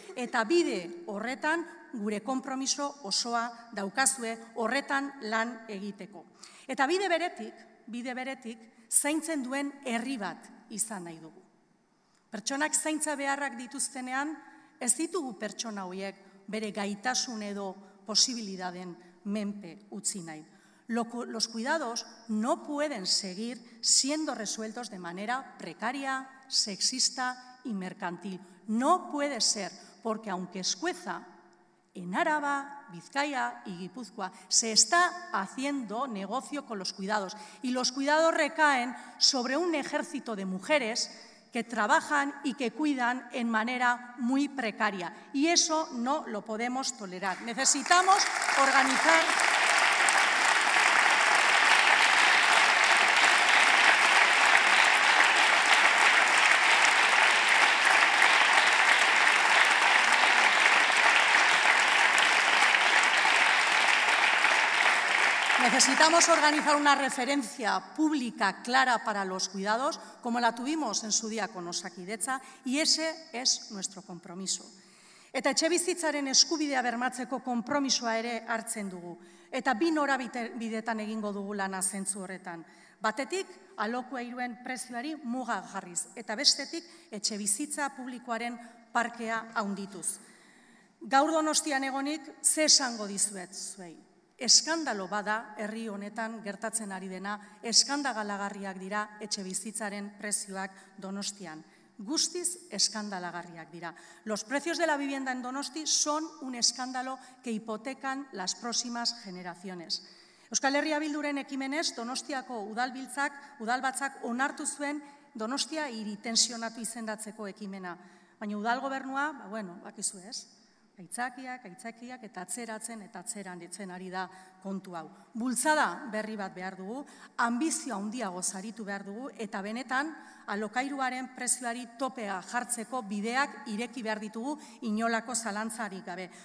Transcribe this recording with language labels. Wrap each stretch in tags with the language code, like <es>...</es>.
<eu>Eta bide horretan gure konpromiso osoa daukazue horretan lan egiteko. Eta bide beretik, zaintzen duen herri bat izan nahi dugu. Pertsonak zaintza beharrak dituztenean, ez ditugu pertsona hoiek bere gaitasun edo posibilidaden menpe utzi nahi.</eu> <es>Los cuidados no pueden seguir siendo resueltos de manera precaria, sexista y mercantil. No puede ser, porque aunque escueza, en Araba, Bizkaia y Gipuzkoa se está haciendo negocio con los cuidados. Y los cuidados recaen sobre un ejército de mujeres que trabajan y que cuidan en manera muy precaria. Y eso no lo podemos tolerar. Necesitamos organizar. Necesitamos organizar una referencia pública clara para los cuidados, como la tuvimos en su día con Osakidetza, y ese es nuestro compromiso.</es> <eu>Eta etxebizitzaren eskubidea bermatzeko konpromisoa ere hartzen dugu. Eta bi norabidetan egingo dugu lana zentzu horretan. Batetik, alokairuen prezioari muga jarriz, eta bestetik, etxebizitza publikoaren parkea handituz. Gaur Donostian egonik, ze esango dizuet zuei. Eskandalo bada herri honetan gertatzen ari dena, eskandalagarriak dira etxe bizitzaren prezioak Donostian. Guztiz eskandalagarriak dira.</eu> <es>Los precios de la vivienda en Donosti son un escándalo que hipotecan las próximas generaciones.</es> <eu>Euskal Herria Bilduren ekimenez, Donostiako udalbatzak onartu zuen Donostia hiri tensionatu izendatzeko ekimena. Baina udalgobernua, bakizu ez? Aitzakiak, eta atzeratzen ari da kontu hau. Bultzada berri bat behar dugu, ambizio handiago saritu behar dugu, eta benetan alokairuaren prezioari topea jartzeko bideak ireki behar ditugu inolako zalantzarik gabe.</eu>